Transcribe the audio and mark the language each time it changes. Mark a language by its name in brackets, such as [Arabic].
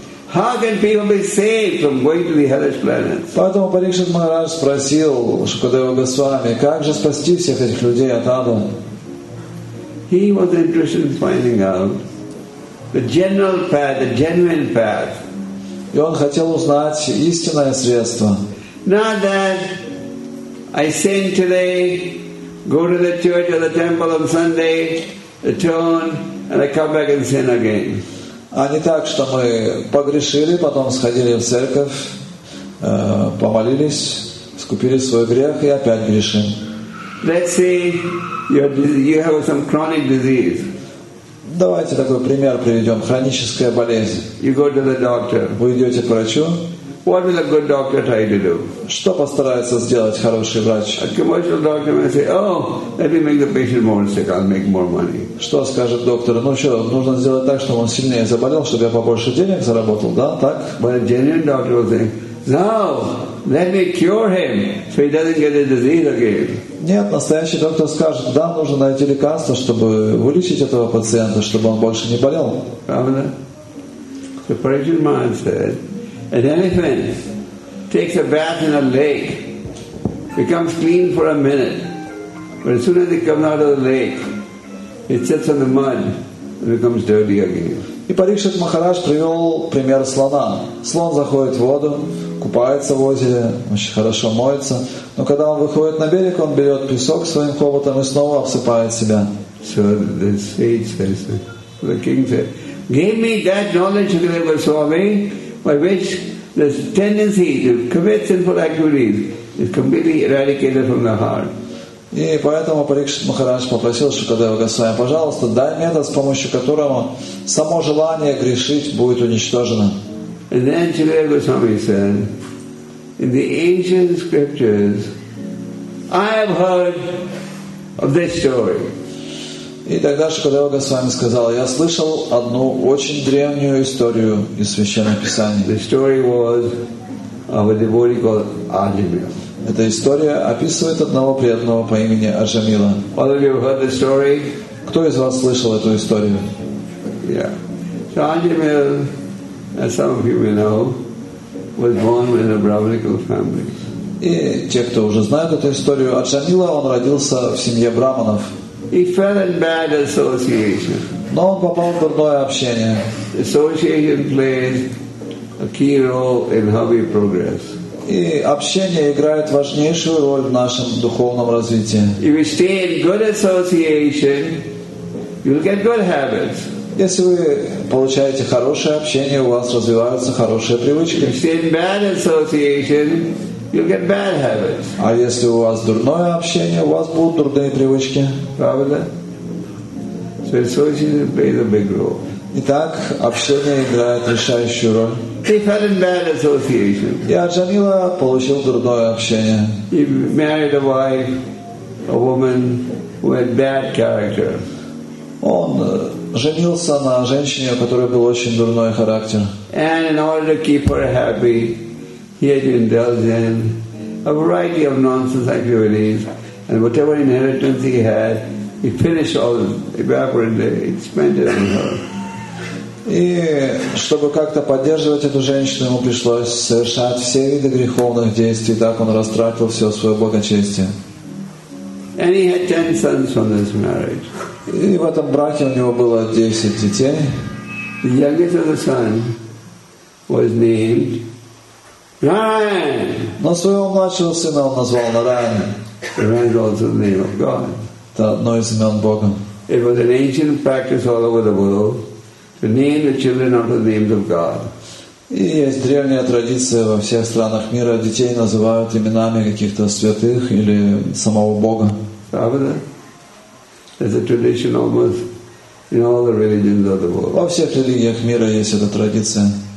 [English] How can people be saved from going to the hellish planets? [Russian] Поэтому Парикшит Махарадж спросил Шукадева Госвами, как же спасти всех этих людей от ада? [English] he was interested in finding out the general path, the genuine path. [Russian] И он хотел узнать истинное средство. [English] Not that I sin today, go to the church or the temple on Sunday, atone, and I come back and sin again. [Russian] А не так, что мы погрешили, потом сходили в церковь, помолились, искупили свой грех и опять грешим. [English] Let's say you have some chronic disease. [Russian] Давайте такой пример приведем. Хроническая болезнь. [English] You go to the doctor. [Russian] Вы идете к врачу. [English] What will a good doctor try to do? [Russian] Что постарается сделать хороший врач? [English] A commercial doctor may say, oh, let me make the patient more sick, I'll make more money. [Russian] Что скажет доктор? Ну что, нужно сделать так, чтобы он сильнее заболел, чтобы я побольше денег заработал, да, так? [English] But a genuine doctor will say, no, let me cure him, so he doesn't get the disease again. [Russian] Нет, настоящий доктор скажет, да, нужно найти лекарство, чтобы вылечить этого пациента, чтобы он больше не болел. Правда? [English] The Persian man said, an elephant takes a bath in a lake, becomes clean for a minute, but as soon as it comes out of the lake, it sits on the mud and becomes dirty again. [Russian] И Парикшит Махарадж привел пример слона. Слон заходит в воду, купается в озере, очень хорошо моется. Но когда он выходит на берег, он берет песок своим хоботом и снова обсыпает себя. [English] So the sage says, the king said, give me that knowledge, Shukadeva Swami, by which the tendency to commit sinful activities is completely eradicated from the heart. [Russian] И поэтому Парикшит Махарадж попросил Шукадева Госвами, пожалуйста, дай метод, с помощью которого само желание грешить будет уничтожено. [English] And then Shukadeva Goswami said, in the ancient scriptures, I have heard of this story. [Russian] И тогда Шукадева Госвами сказал, я слышал одну очень древнюю историю из Священных Писаний. [English] The story was of a devotee called Ajamila. [Russian] Эта история описывает одного преданного по имени Ajamila. [English] All of you have heard the story? [Russian] Кто из вас слышал эту историю? [English] Yeah. So Ajamila, as some of you may know, was born in a Brahminical family. [Russian] И те, кто уже знают эту историю, Ajamila, он родился в семье браманов. [English] He fell in bad association. [Russian] Но он попал в дурное общение. [English] Association played a key role in how we progress. [Russian] И общение играет важнейшую роль в нашем духовном развитии. [English] If you stay in good association, you'll get good habits. [Russian] Если вы получаете хорошее общение, у вас развиваются хорошие привычки. [English] If you stay in bad association, you'll get bad habits. [Russian] А если у вас дурное общение, у вас будут дурные привычки. Правда? [English] So association plays a big role. [Russian] Итак, общение играет решающую роль. [English] He fell in bad association. [Russian] И Ajamila получил дурное общение. [English] He married a wife, a woman who had bad character. [Russian] Он женился на женщине, у которой был очень дурной характер. [English] And in order to keep her happy, he had indulged in a variety of nonsense activities, and whatever inheritance he had, he finished all, evaporated, spent it on her. [Russian] И чтобы как-то поддерживать эту женщину, ему пришлось совершать все виды греховных действий. Так он растратил все свое благочестие. [English] And he had 10 sons from this marriage. [Russian] И в этом браке у него было 10 детей. [English] The youngest of the son was named Narayan. [Russian] Но своего младшего сына он назвал Нараян. [English] Narayan was also the name of God. [Russian] Это одно из имен Бога. [English] It was an ancient practice all over the world. To name the children after the names of God. [Russian] И есть древняя традиция во всех странах мира. Детей называют именами каких-то святых или самого Бога. Правда? [English] There's a tradition almost in all the religions of the world. [Russian] Во всех религиях мира есть эта традиция.